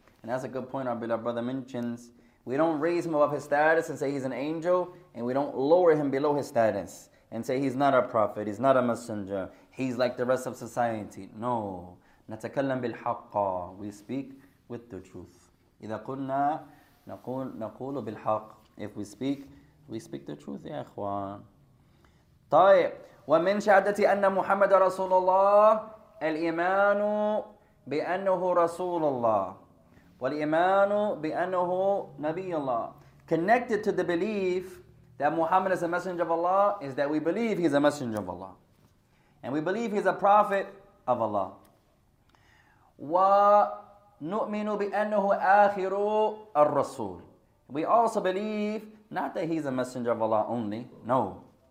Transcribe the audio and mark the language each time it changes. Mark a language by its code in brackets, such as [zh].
[en] And that's a good point our beloved brother mentions. We don't raise him above his status and say he's an angel, and we don't lower him below his status and say he's not a prophet, he's not a messenger, he's like the rest of society. No. [ar] نتكلم بالحق. [en] We speak with the truth. [ar] إذا قلنا نقول بالحق. [en] If we speak the truth, [ar] يا إخوان. طيب ومن شهادة أن محمد رسول الله الإيمان بأنه رسول الله والإيمان بأنه نبي الله. [en] Connected to the belief that Muhammad is a messenger of Allah is that we believe he's a messenger of Allah and we believe he's a prophet of Allah. [ar] ونؤمن بأنه آخر الرسول. [en] We also believe not that he's a messenger of Allah only, no.